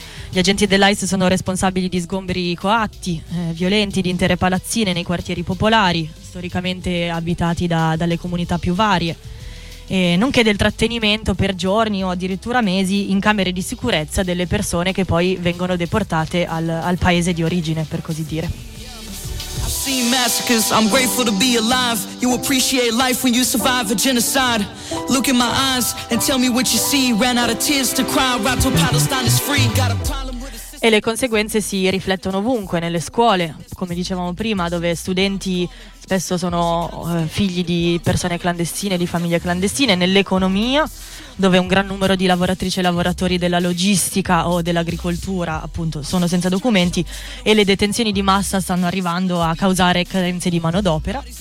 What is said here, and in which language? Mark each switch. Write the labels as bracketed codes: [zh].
[it] Gli agenti dell'ICE sono responsabili di sgomberi coatti, violenti di intere palazzine nei quartieri popolari, storicamente abitati dalle comunità più varie, e nonché del trattenimento per giorni o addirittura mesi in camere di sicurezza delle persone che poi vengono deportate al paese di origine, per così dire. [en] I've seen massacres, I'm grateful to be alive. You appreciate life when you survive a genocide. Look in my eyes and tell me what you see. Ran out of tears to cry, right till Palestine is free. Got a problem. [it] E le conseguenze si riflettono ovunque, nelle scuole, come dicevamo prima, dove studenti spesso sono figli di persone clandestine, di famiglie clandestine, nell'economia, dove un gran numero di lavoratrici e lavoratori della logistica o dell'agricoltura, appunto, sono senza documenti, e le detenzioni di massa stanno arrivando a causare carenze di manodopera,